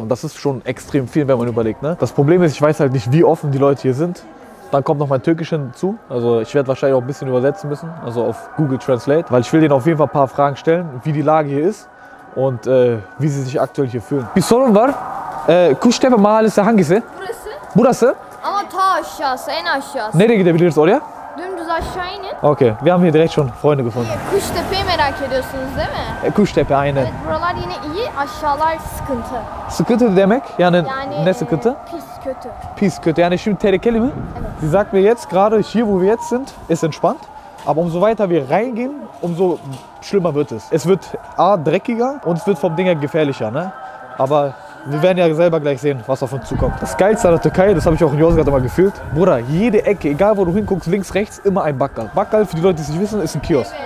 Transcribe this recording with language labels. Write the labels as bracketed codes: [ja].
[de] Und das ist schon extrem viel, wenn man überlegt, ne? Das Problem ist, ich weiß halt nicht, wie offen die Leute hier sind. Dann kommt noch mein Türkisch hinzu. Also ich werde wahrscheinlich auch ein bisschen übersetzen müssen. Also auf Google Translate. Weil ich will denen auf jeden Fall ein paar Fragen stellen, wie die Lage hier ist und wie sie sich aktuell hier fühlen. [tr] Bir sorun var. Kuştepe mahallesi hangisi? Burası. Burası? Ama ta aşağısı, en aşağısı. Nereye gidebiliriz oraya? Dümdüz aşağı inin. [de] Okay, wir haben hier direkt schon Freunde gefunden. [tr] Kuştepe'yi merak ediyorsunuz değil mi? Kuştepe, aynen. Evet, buralar yine iyi, aşağılar sıkıntı. Sıkıntı demek? Yani ne sıkıntı? Pis, kötü. Pis, kötü. Yani şimdi tehlikeli mi? Evet. [de] Sie sagt mir jetzt, gerade hier, wo wir jetzt sind, ist entspannt. Aber umso weiter wir reingehen, umso schlimmer wird es. Es wird A, dreckiger und es wird vom Ding her gefährlicher, ne? Aber wir werden ja selber gleich sehen, was auf uns zukommt. Das Geilste an der Türkei, das habe ich auch in Yozgat immer gefühlt. Bruder, jede Ecke, egal wo du hinguckst, links, rechts, immer ein Bakkal. Bakkal, für die Leute, die es nicht wissen, ist ein Kiosk.